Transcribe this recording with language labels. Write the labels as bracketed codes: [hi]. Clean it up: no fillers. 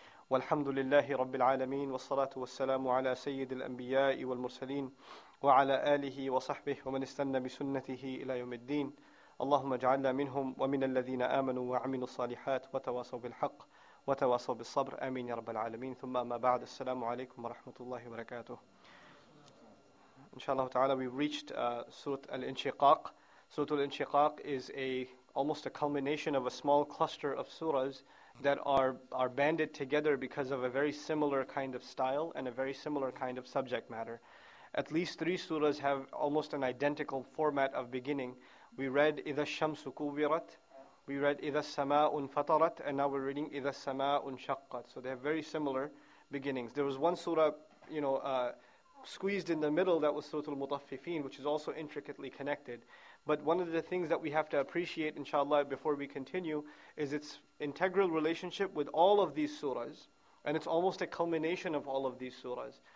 [ar] والحمد لله رب العالمين والصلاة والسلام على سيد الأنبياء والمرسلين وعلى آله وصحبه ومن استنى بسنته إلى يوم الدين اللهم اجعلنا منهم ومن الذين آمنوا وعملوا الصالحات وتواصوا بالحق وتواصوا بالصبر آمين يا رب العالمين ثم ما بعد السلام عليكم ورحمة الله وبركاته إن شاء الله تعالى [en] we reached [ar] سورة الانشقاق. [en] سورة الانشقاق is almost a culmination of a small cluster of surahs that are banded together because of a very similar kind of style and a very similar kind of subject matter. At least three surahs have almost an identical format of beginning. We read [ar] إِذَا الشَّمْسُ كُوِّرَتْ, [en] we read [ar] إِذَا السَّمَاءُ انْفَطَرَتْ, [en] and now we're reading [ar] إِذَا السَّمَاءُ انْشَقَّتْ. [en] So they have very similar beginnings. There was one surah, you know, squeezed in the middle, that was Surah Al-Mutaffifin, which is also intricately connected. But one of the things that we have to appreciate, inshallah, before we continue, is its integral relationship with all of these surahs, and it's almost a culmination of all of these surahs.